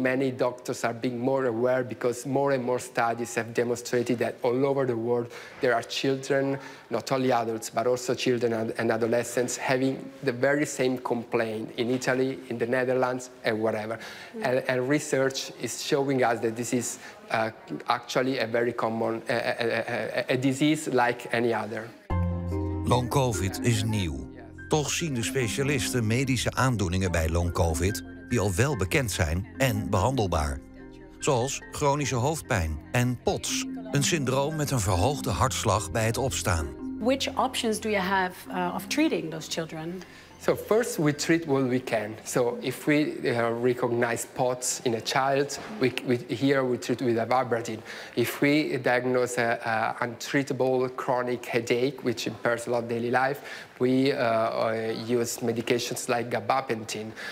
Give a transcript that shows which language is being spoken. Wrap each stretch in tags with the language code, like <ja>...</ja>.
<en>Many doctors are being more aware because more and more studies have demonstrated that all over the world there are children, not only adults, but also children and adolescents having the very same complaint in Italy, in the Netherlands, and whatever. Mm-hmm. And research is showing us that this is actually a very common a disease like any other.</en> <nl>Long COVID is nieuw. Toch zien de specialisten medische aandoeningen bij long COVID die al wel bekend zijn en behandelbaar. Zoals chronische hoofdpijn en POTS, een syndroom met een verhoogde hartslag bij het opstaan.</nl> <en>Which options do you have of treating those children? So first we treat what we can. So if we recognize POTS in a child, we treat with a vibratine. If we diagnose an untreatable chronic headache, which impairs a lot of daily life, we use medications like gabapentin.</en>